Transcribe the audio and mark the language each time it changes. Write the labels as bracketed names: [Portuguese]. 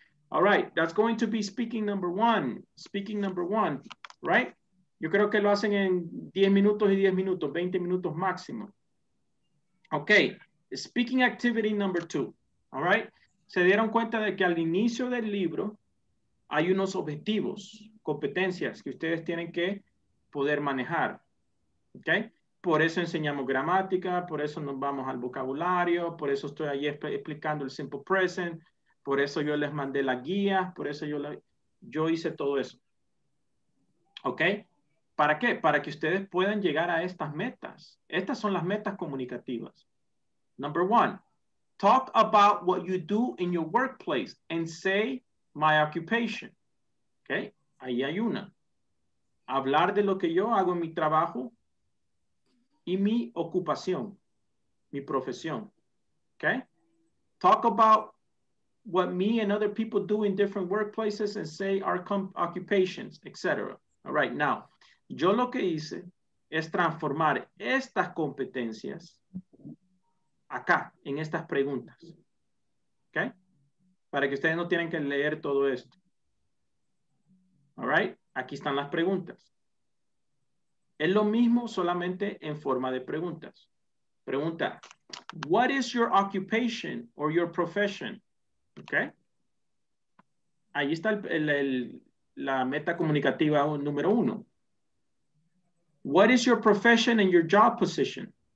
[English] All right, that's going to be speaking number one. Speaking number one, right? [Spanish] Yo creo que lo hacen en 10 minutos y 10 minutos, 20 minutos máximo. [English] Ok, speaking activity number two. All right, [Spanish] se dieron cuenta de que al inicio del libro hay unos objetivos, competencias que ustedes tienen que poder manejar. Ok. Por eso enseñamos gramática, por eso nos vamos al vocabulario, por eso estoy ahí explicando el simple present, por eso yo les mandé las guías, por eso yo hice todo eso. ¿Ok? ¿Para qué? Para que ustedes puedan llegar a estas metas. Estas son las metas comunicativas. [English] Number one, talk about what you do in your workplace and say my occupation. [Spanish] ¿Ok? Ahí hay una. Hablar de lo que yo hago en mi trabajo. Y mi ocupación, mi profesión, okay? [English] Talk about what me and other people do in different workplaces and say our occupations, etc. All right, now, [Spanish] yo lo que hice es transformar estas competencias acá, en estas preguntas, okay? Para que ustedes no tienen que leer todo esto. [English] All right, [Spanish] aquí están las preguntas. Es lo mismo, solamente en forma de preguntas. Pregunta, [English] what is your occupation or your profession? Okay. [Spanish] Ahí está la meta comunicativa número uno. [English] What is your profession and your job position?